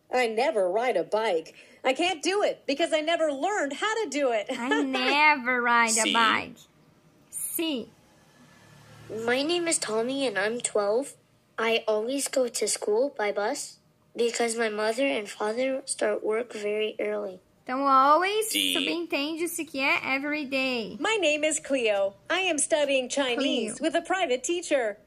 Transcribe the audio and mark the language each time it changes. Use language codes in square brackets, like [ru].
[en] I never ride a bike. I can't do it because I never learned how to do it. I never ride a bike. My name is Tommy and I'm 12. I always go to school by bus because my mother and father start work very early. [pt] Então, always, subentende-se que é every day. [en] My name is Cleo. I am studying Chinese Cleo. With a private teacher.